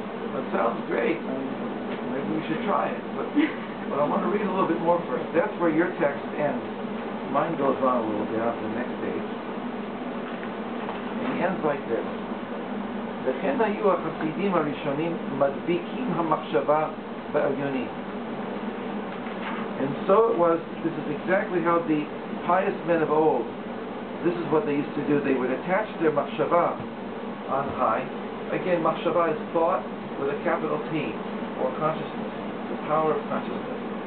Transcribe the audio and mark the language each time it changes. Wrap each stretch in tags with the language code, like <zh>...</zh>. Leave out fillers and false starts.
<en>That sounds great. Maybe we should try it. But I want to read a little bit more first. That's where your text ends. Mine goes on a little bit after the next page. And it ends like this.</en> <he>וכן היו החסידים הראשונים מדביקים המחשבה בעליונים.</he> <en>And so it was, this is exactly how the pious men of old, this is what they used to do, they would attach their machshava on high. Again, machshava is thought with a capital T, or consciousness, the power of consciousness.</en>